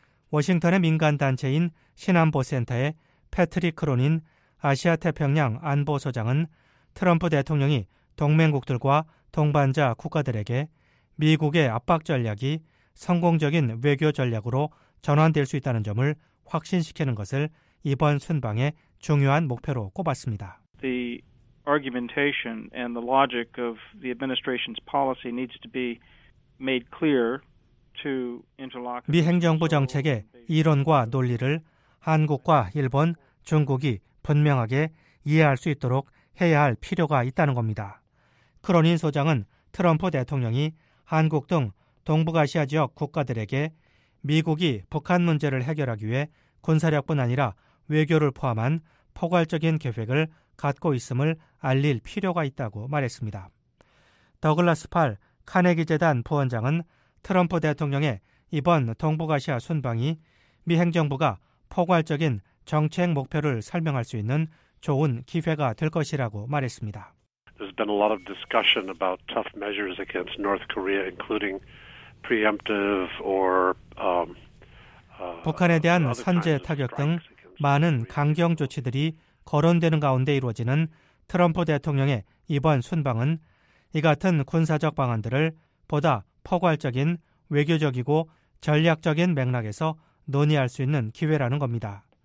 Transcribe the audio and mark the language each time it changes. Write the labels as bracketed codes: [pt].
[ko] 워싱턴의 민간단체인 신안보센터의 패트릭 크로닌 아시아태평양 안보소장은 트럼프 대통령이 동맹국들과 동반자 국가들에게 미국의 압박 전략이 성공적인 외교 전략으로 전환될 수 있다는 점을 확신시키는 것을 이번 순방에 중요한 목표로 꼽았습니다. [en] The argumentation and the logic of the administration's policy needs to be made clear to interlocutors. [ko] 미 행정부 정책의 이론과 논리를 한국과 일본, 중국이 분명하게 이해할 수 있도록 해야 할 필요가 있다는 겁니다. 크로닌 소장은 트럼프 대통령이 한국 등 동북아시아 지역 국가들에게 미국이 북한 문제를 해결하기 위해 군사력뿐 아니라 외교를 포함한 포괄적인 계획을 갖고 있음을 알릴 필요가 있다고 말했습니다. 더글라스 팔 카네기 재단 부원장은 트럼프 대통령의 이번 동북아시아 순방이 미 행정부가 포괄적인 정책 목표를 설명할 수 있는 좋은 기회가 될 것이라고 말했습니다. [en] There's been a lot of discussion about tough measures against North Korea, including preemptive or [ko] 북한에 대한 선제 타격 등 많은 강경 조치들이 거론되는 가운데 이루어지는 트럼프 대통령의 이번 순방은 이 같은 군사적 방안들을 보다 포괄적인 외교적이고 전략적인 맥락에서 논의할 수 있는 기회라는 겁니다.